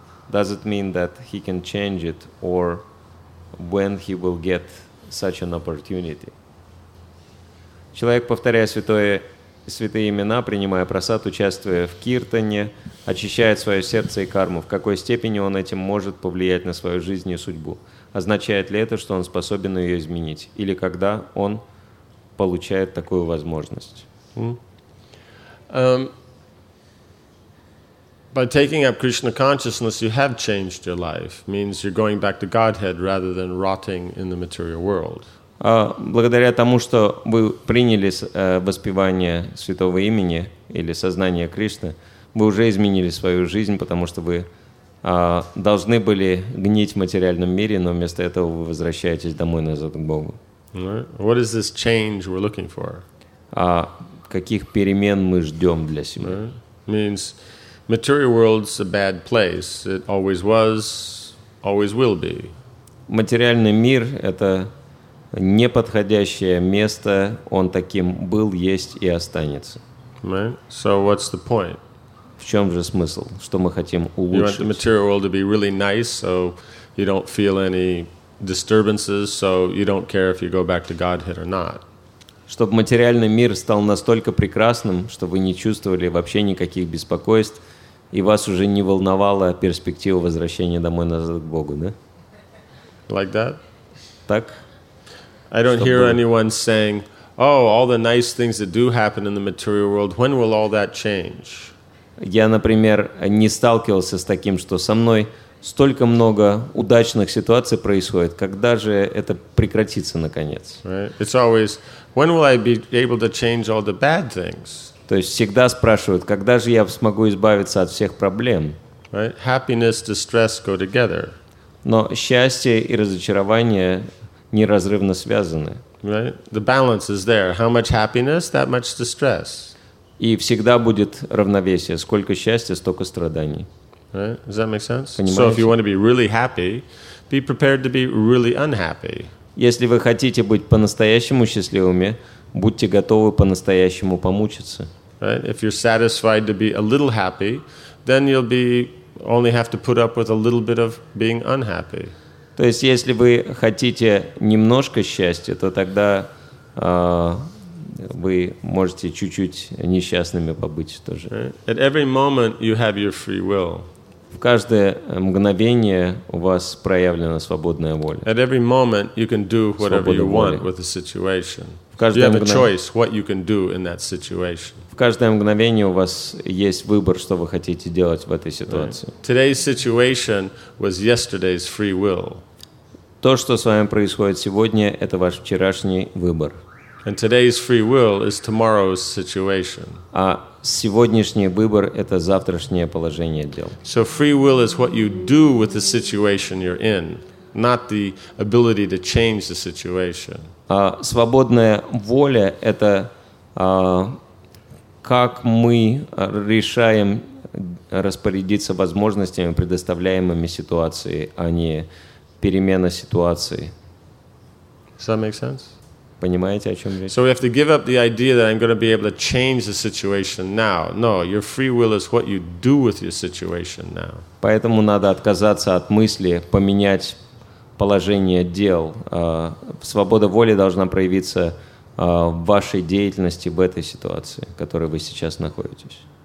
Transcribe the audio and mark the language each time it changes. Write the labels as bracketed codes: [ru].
[en] Does it mean that he can change it, or when he will get such an opportunity? [ru] Человек, повторяя святые имена, принимая прасад, участвуя в киртане, очищает свое сердце и карму. В какой степени он этим может повлиять на свою жизнь и судьбу? Означает ли это, что он способен ее изменить? Или когда он получает такую возможность? [en] By taking up Krishna consciousness, you have changed your life. Means you're going back to Godhead rather than rotting in the material world. [ru] Благодаря тому, что вы приняли воспевание святого имени или сознание Кришны, вы уже изменили свою жизнь, потому что вы должны были гнить в материальном мире, но вместо этого вы возвращаетесь домой назад к Богу. [en] What is this change we're looking for? [ru] Каких перемен мы ждем для себя? [en] Means material world's a bad place. It always was, always will be. [ru] Материальный мир — это неподходящее место, он таким был, есть и останется. [en] Right. So what's the point? [ru] В чем же смысл? Что мы хотим улучшить? [en] You want the material world to be really nice, so you don't feel any disturbances, so you don't care if you go back to Godhead or not. [ru] Чтобы материальный мир стал настолько прекрасным, что вы не чувствовали вообще никаких беспокойств, и вас уже не волновала перспектива возвращения домой назад к Богу, да? [en] Like that? [ru] Так? [en] I don't hear anyone saying, "Oh, all the nice things that do happen in the material world, when will all that change?" [ru] Я, например, не сталкивался с таким, что со мной столько много удачных ситуаций происходит. Когда же это прекратится наконец? [en] Right. It's always, "When will I be able to change all the bad things?" [ru] То есть всегда спрашивают, когда же я смогу избавиться от всех проблем? [en] Right. Happiness, distress go together. [ru] Но счастье и разочарование неразрывно связаны. [en] Right. The balance is there. How much happiness, that much distress. [ru] И всегда будет равновесие. Сколько счастья, столько страданий. [en] Right. Does that make sense? [ru] Понимаете? [en] So if you want to be really happy, be prepared to be really unhappy. [ru] Если вы хотите быть по-настоящему счастливыми, будьте готовы по-настоящему помучиться. [en] Right. If you're satisfied to be a little happy, then you'll be only have to put up with a little bit of being unhappy. [ru] То есть, если вы хотите немножко счастья, то тогда вы можете чуть-чуть несчастными побыть тоже. [en] Right. At every moment you have your free will. [ru] В каждое мгновение у вас проявлена свободная воля. [en] At every moment you can do whatever you want with the situation. You have a choice what you can do in that situation. [ru] В каждое мгновение у вас есть выбор, что вы хотите делать в этой ситуации. [en] Right. Today's situation was yesterday's free will. [ru] То, что с вами происходит сегодня, это ваш вчерашний выбор. [en] And today's free will is tomorrow's situation. [ru] А сегодняшний выбор — это завтрашнее положение дел. [en] So free will is what you do with the situation you're in, not the ability to change the situation. [ru] Свободная воля — это как мы решаем распорядиться возможностями, предоставляемыми ситуацией, а не перемена ситуации. [en] Does that make sense? [ru] Понимаете, о чем речь? [en] So we have to give up the idea that I'm going to be able to change the situation now. No, your free will is what you do with your situation now. [ru] Поэтому надо отказаться от мысли поменять положение дел. Свобода воли должна проявиться в вашей деятельности в этой ситуации, в которой вы сейчас находитесь.